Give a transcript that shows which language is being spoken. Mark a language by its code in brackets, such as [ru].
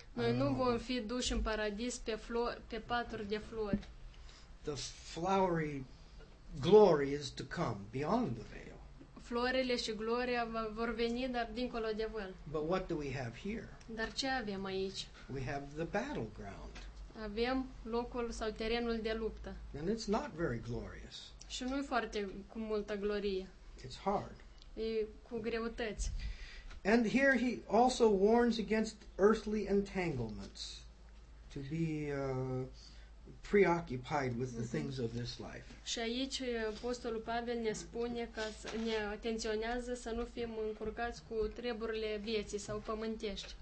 [ro] Noi nu vom fi duși în paradis pe flori, pe paturi de flori. [en] The flowery glory is to come beyond the veil. [ro] Florile și gloria vor veni, dar dincolo de vel. [en] But what do we have here? [ro] Dar ce avem aici? [en] We have the battleground. [ro] Avem locul sau terenul de luptă. [en] And it's not very glorious. [ro] Și nu e foarte cu multă glorie. [en] It's hard. [ro] E cu greutăți. [en] And here he also warns against earthly entanglements, to be preoccupied with the things of this life. [ro] Și aici apostolul Pavel ne spune că ne atenționează să nu fim încurcați cu treburile vieții sau pământești.